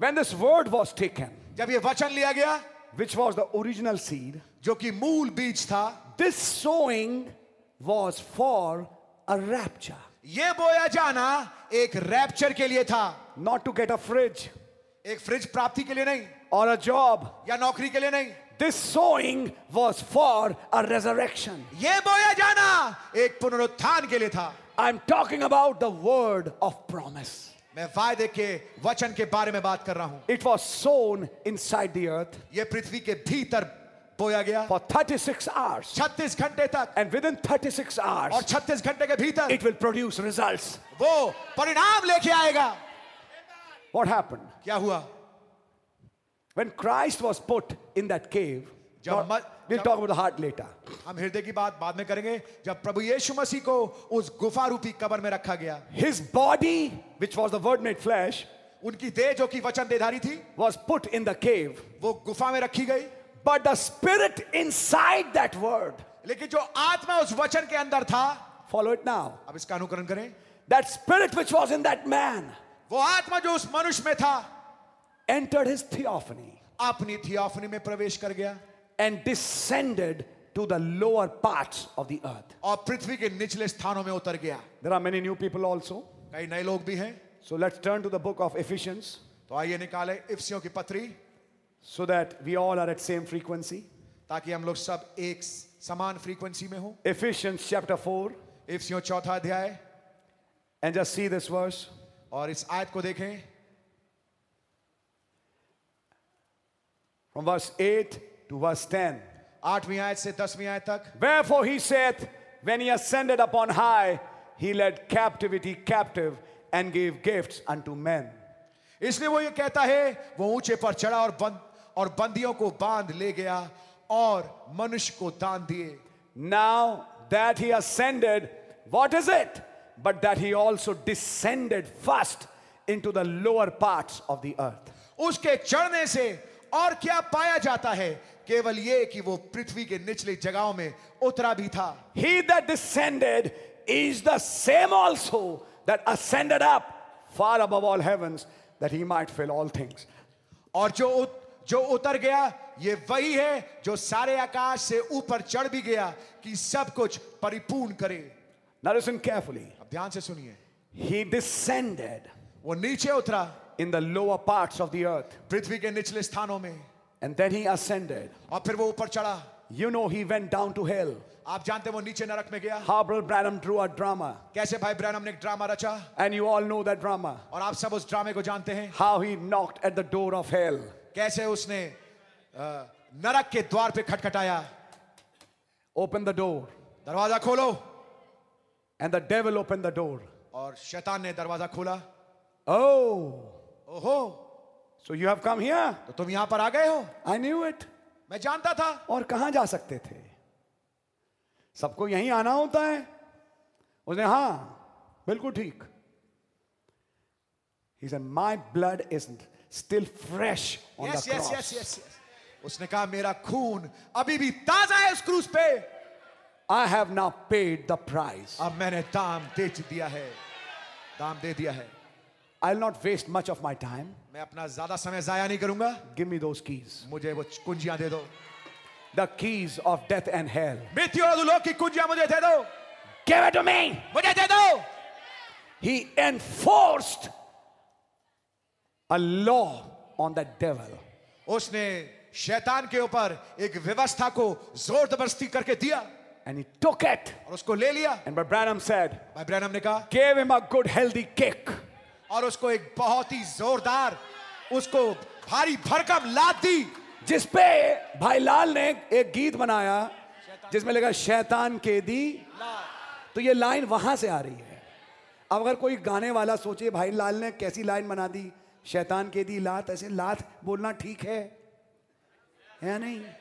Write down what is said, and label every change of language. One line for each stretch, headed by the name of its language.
English: When this word was taken.
Hindi: जब ये वचन लिया गया.
English: Which was the original seed.
Hindi: जो कि मूल बीज था.
English: This sowing was for a rapture.
Hindi: ये बोया जाना एक रैप्चर के लिए था.
English: Not to get a fridge.
Hindi: एक फ्रिज प्राप्ति के लिए नहीं.
English: Or a job.
Hindi: या नौकरी के लिए नहीं.
English: This sowing was for a resurrection.
Hindi: ये बोया जाना एक पुनरुत्थान के लिए था.
English: I'm talking about the word of promise.
Hindi: मैं वायदे के वचन के बारे में बात कर रहा हूं.
English: It was sown inside the earth.
Hindi: ये पृथ्वी के भीतर बोया गया.
English: For 36 hours.
Hindi: 36 घंटे तक.
English: And within 36 hours.
Hindi: और 36 घंटे के भीतर.
English: It will produce results.
Hindi: वो परिणाम लेके आएगा.
English: What happened?
Hindi: क्या हुआ?
English: When Christ was put in that cave. We'll talk about the heart later.
Hindi: हम हृदय की बात बाद में करेंगे. जब प्रभु यीशु मसीह को उस गुफा रूपी कब्र में रखा गया.
English: His body, which was the word made flesh,
Hindi: उनकी देह जो कि वचन देहधारी थी,
English: was put in the cave.
Hindi: वो गुफा में रखी गई.
English: But the spirit inside that word,
Hindi: लेकिन जो आत्मा उस वचन के अंदर था,
English: follow it now.
Hindi: अब इसका अनुकरण करें.
English: That spirit which was in that man,
Hindi: वो आत्मा जो उस मनुष्य में था,
English: entered his theophany.
Hindi: अपनी theophany में प्रवेश कर गया.
English: And descended to the lower parts of the earth.
Hindi: और पृथ्वी के निचले स्थानों में उतर गया.
English: There are many new people also.
Hindi: कई नए लोग भी हैं.
English: So let's turn to the book of Ephesians.
Hindi: तो आइए निकालें इफिसियों की पत्री.
English: So that we all are at same frequency.
Hindi: ताकि हम लोग सब एक समान फ्रीक्वेंसी में हो.
English: Ephesians chapter 4.
Hindi: इफिसियों चौथा अध्याय.
English: And just see this verse.
Hindi: Aur is ayat ko dekhein.
English: From verse 8 to verse 10.
Hindi: 8vi ayat se 10vi ayat tak.
English: Wherefore he saith, when he ascended upon high, he led captivity captive and gave gifts unto men.
Hindi: इसलिए वो ये कहता है, वो ऊंचे पर चढ़ा और बंद और बंदियों को बांध ले गया और मनुष्य को दान दिए.
English: Now that he ascended, what is it? But that he also descended first into the lower parts of the earth.
Hindi: उसके चढ़ने से और क्या पाया जाता है? केवल ये कि वो पृथ्वी के निचले जगहों में उतरा भी था.
English: He that descended is the same also that ascended up far above all heavens, that he might fill all things.
Hindi: और जो उतर गया, ये वही है जो सारे आकाश से ऊपर चढ़ भी गया कि सब कुछ परिपूर्ण करे.
English: Now listen carefully.
Hindi: अब ध्यान से सुनिए.
English: He descended.
Hindi: वो नीचे उतरा.
English: In the lower parts of the earth.
Hindi: पृथ्वी के निचले स्थानों में.
English: And then he ascended.
Hindi: और फिर वो ऊपर चढ़ा.
English: You know he went down to hell.
Hindi: आप जानते हैं वो नीचे नरक में गया.
English: How Brother Branham drew a drama.
Hindi: कैसे भाई ब्रैनम ने एक ड्रामा रचा.
English: And you all know that drama.
Hindi: और आप सब उस ड्रामे को जानते हैं.
English: How he knocked at the door of hell.
Hindi: कैसे उसने नरक के द्वार पे खटखटाया.
English: Open the door.
Hindi: दरवाजा खोलो.
English: And the devil opened the door.
Hindi: और शैतान ने दरवाजा खोला.
English: Oh. So you have come here.
Hindi: तो तुम यहाँ पर आ गए हो.
English: I knew it.
Hindi: मैं जानता था. और कहाँ जा सकते थे? सबको यहीं आना होता है. उसने हाँ बिल्कुल ठीक.
English: He said, my blood is still fresh on yes, the cross. Yes, yes, yes, yes.
Hindi: उसने कहा मेरा खून अभी भी ताजा है उस क्रूस पे.
English: I have now paid the price.
Hindi: अब मैंने दाम दे दिया है. दाम दे दिया है.
English: I'll not waste much of my time.
Hindi: मैं अपना ज्यादा समय जाया नहीं करूंगा.
English: Give me those keys.
Hindi: मुझे वो कुंजियां दे दो.
English: The keys of death and hell.
Hindi: मृत्यु और नरक की कुंजियां मुझे दे दो.
English: Give it to me.
Hindi: मुझे दे दो.
English: He enforced a law on the devil.
Hindi: उसने शैतान के ऊपर एक व्यवस्था को जोरदबस्ती करके दिया.
English: And he took it.
Hindi: और उसको ले लिया.
English: And Brother Branham said.
Hindi: भाई ब्रैनम ने कहा.
English: Gave him a good healthy kick.
Hindi: और उसको एक बहुत ही जोरदार, उसको भारी भरकम लात दी. जिस पे भाई लाल ने एक गीत बनाया जिसमें लिखा शैतान के दी. तो ये लाइन वहां से आ रही है. अब अगर कोई गाने वाला सोचे भाई लाल ने कैसी लाइन बना दी, शैतान के दी लात, ऐसे लात बोलना ठीक है या नहीं?